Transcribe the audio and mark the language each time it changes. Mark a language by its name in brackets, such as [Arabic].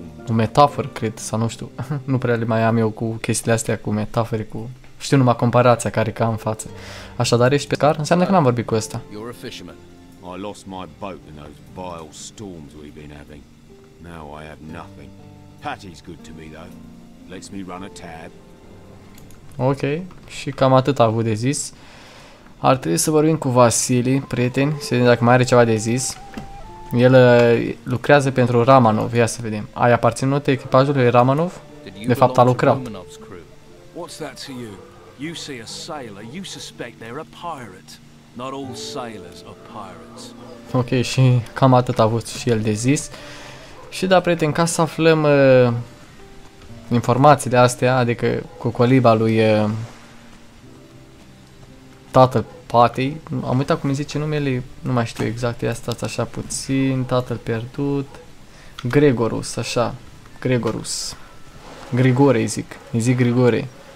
[Romanian] O metaforă, cred, sau nu știu. Nu prea le mai am eu cu chestiile astea, cu metafore, cu... Știu numai comparația care ca în față. Așadar, ești pe car? Înseamnă că n-am vorbit cu ăsta. [English] I lost my boat in those vile storms we've been having. Now I have nothing. Patty's good to me though. Lets me run a tab. [Romanian] Ok, și cam atât a avut de zis. Ar trebui să vorbim cu Vasili, prieten, să vedem dacă mai are ceva de zis. El lucrează pentru Ramanov, ia să vedem. Ai aparținut echipajului Ramanov? De fapt a lucrat. [English] What's that to you? You see a sailor, you suspect they're a pirate. Not all sailors are pirates. [Romanian] Ok, și cam atât a avut și el de zis. Și da, prieten, ca să aflăm informațiile astea, adică cu coliba lui tatăl Patty, am uitat cum îi zice numele, nu mai știu exact, ia stați așa puțin, tatăl pierdut, Gregorus, așa, Gregorus, Grigore îi zic, Grigore.